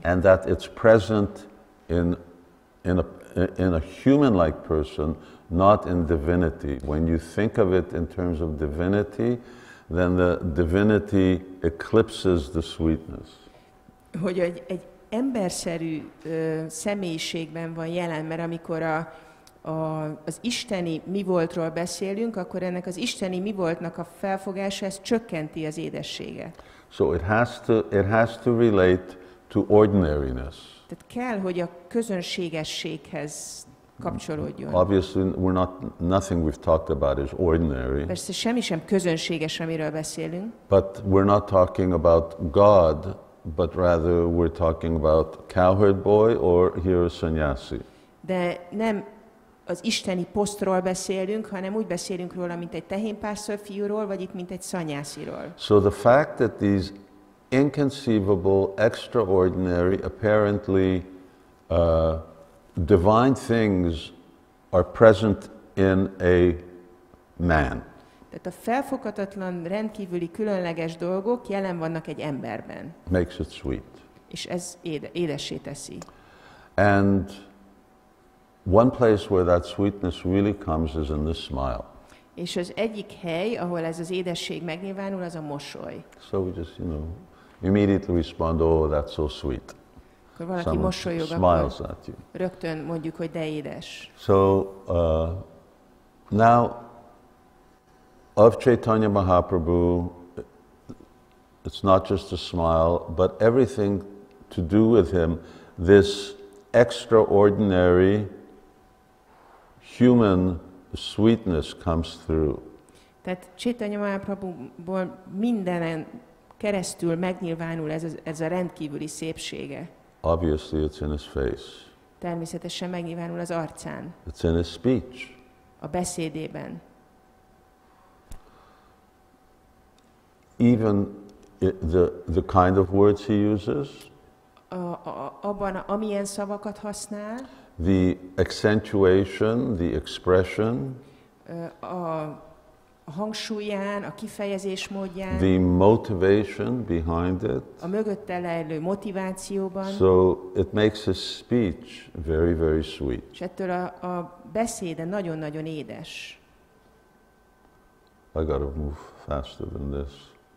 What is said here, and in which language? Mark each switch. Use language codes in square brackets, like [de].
[en] And that it's present in a human-like person, not in divinity. When you think of it in terms of divinity, then the divinity eclipses the sweetness. [hu] Hogy egy emberszerű személyiségben van jelen, mert amikor az isteni mi voltról beszélünk, akkor ennek az isteni mi voltnak a felfogása ez csökkenti az édességet. [en] So it has to relate to ordinariness. [hu] Tehát kell, hogy a közönségességhez kapcsolódjon. [en] Obviously nothing we've talked about is ordinary. [hu] Persze semmi sem közönséges, amiről beszélünk. [en] But we're not talking about God, but rather we're talking about cowherd boy or here sanyasi. [hu] De nem az isteni posztról beszélünk, hanem úgy beszélünk róla, mint egy tehénpásztor fiúról, vagy itt, mint egy szanyásziról. [en] So the fact that these inconceivable, extraordinary, apparently divine things are present in a man. [hu] Tehát a felfoghatatlan, rendkívüli, különleges dolgok jelen vannak egy emberben. [en] Makes it sweet. [hu] És ez édessé teszi. [en] And one place where that sweetness really comes is in the smile. [hu] És az egyik hely, ahol ez az édesség megnyilvánul, az a mosoly. [en] So we just, you know, immediately respond, oh, that's so sweet. [hu] Akkor valaki [en] someone [hu] mosolyog, [en] smiles at you. [hu] Rögtön mondjuk, hogy de édes. [en] So now of Chaitanya Mahaprabhu, it's not just a smile, but everything to do with him, this extraordinary human sweetness comes through. [hu] Tehát Chaitanya Mahaprabhuból mindenen keresztül megnyilvánul ez a rendkívüli szépsége. [en] Obviously it's in his face. [hu] Természetesen megnyilvánul az arcán. [en] It's in his speech. [hu] A beszédében. [en] Even the kind of words he uses. [hu] Abban, amilyen szavakat használ. [en] The accentuation, the expression. [hu] A hangsúlyán, a kifejezés módján. [en] The motivation behind it. [hu] A mögötte lejlő motivációban. [en] So it makes his speech very, very sweet. [hu] És ettől a beszéde nagyon-nagyon édes. [en] I gotta move faster than this.